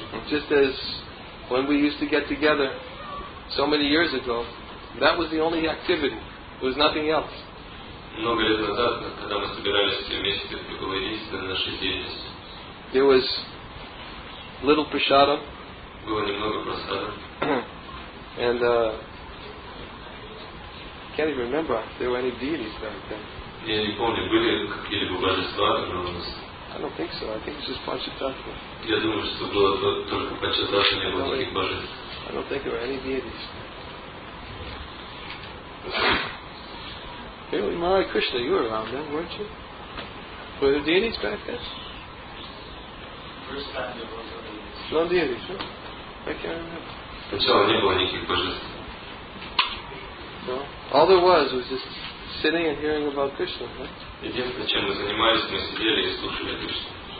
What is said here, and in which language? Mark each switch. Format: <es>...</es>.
<en>Just as when we used to get together so many years ago, that was the only activity. It was nothing else.</en> <ru>Много лет назад, когда мы собирались все вместе, это было единственное наше деятельность.</ru> <en>There was little prasadam.</en> <ru>Было немного prasada.</ru> <en>And I can't even remember if there were any deities back then.</en> <ru>Я не помню, были какие-либо божества у нас.</ru> <en>I don't think so. I think it was just Panchatattva.</en> <ru>Я думаю, что было только Панчататва, не было никаких божеств.</ru> <en>I don't think there were any deities. Really, Maharaj Krishna, you were around then, weren't you? Were there deities back then? First time there was a deity. No deities, huh? I can't remember.</en> <ru>Сначала не было никаких божеств.</ru> <en>No. All there was just sitting and hearing about Krishna, right?</en> <ru>Единственное, чем мы занимались, мы сидели и слушали Кришну.</ru>